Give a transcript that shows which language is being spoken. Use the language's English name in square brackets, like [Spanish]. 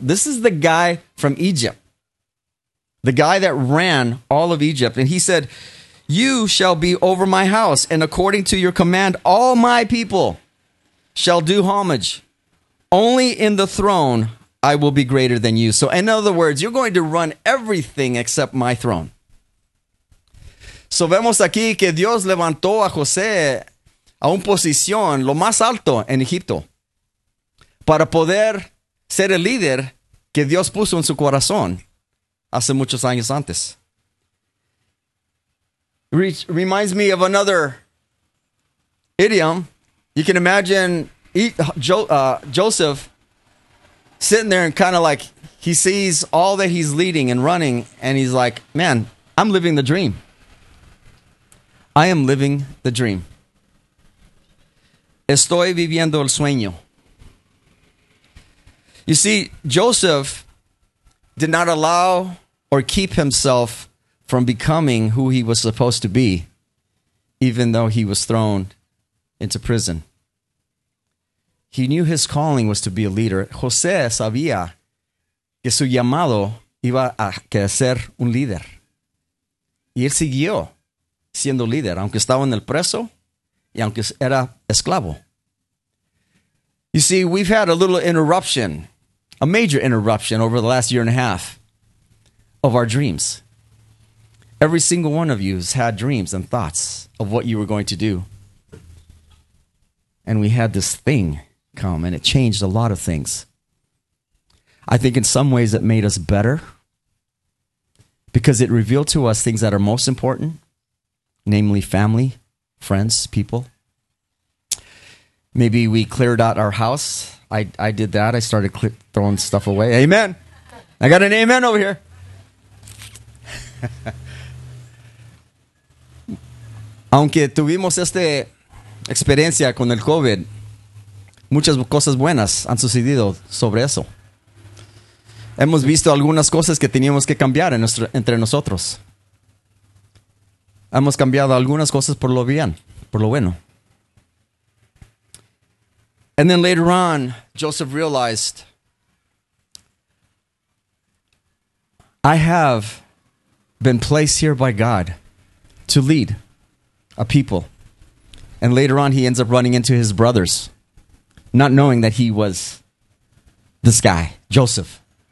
[English] This is the guy from Egypt, the guy that ran all of Egypt. And he said, you shall be over my house, and according to your command, all my people shall do homage. Only in the throne I will be greater than you. So in other words, you're going to run everything except my throne. [Spanish] So vemos aquí que Dios levantó a José a un posición lo más alto en Egipto para poder ser el líder que Dios puso en su corazón hace muchos años antes. [English] Reminds me of another idiom. You can imagine Joseph sitting there and kind of like, he sees all that he's leading and running, and he's like, man, I'm living the dream. I am living the dream. [Spanish] Estoy viviendo el sueño. [English] You see, Joseph did not allow or keep himself from becoming who he was supposed to be, even though he was thrown into prison. He knew his calling was to be a leader. [Spanish] José sabía que su llamado iba a ser un líder. Y él siguió siendo líder, aunque estaba en el preso y aunque era esclavo. [English] You see, we've had a little interruption, a major interruption over the last year and a half of our dreams. Every single one of you has had dreams and thoughts of what you were going to do. And we had this thing come, and it changed a lot of things. I think in some ways it made us better because it revealed to us things that are most important, namely family, friends, people. Maybe we cleared out our house. I did that. I started throwing stuff away. Amen. I got an amen over here. [Spanish] Aunque tuvimos esta experiencia con el COVID, muchas cosas buenas han sucedido sobre eso. Hemos visto algunas cosas que teníamos que cambiar entre nosotros. Hemos cambiado algunas cosas por lo bien, por lo bueno. [English] And then later on, Joseph realized, I have been placed here by God to lead a people. And later on, he ends up running into his brothers, not knowing that he was this guy, Joseph.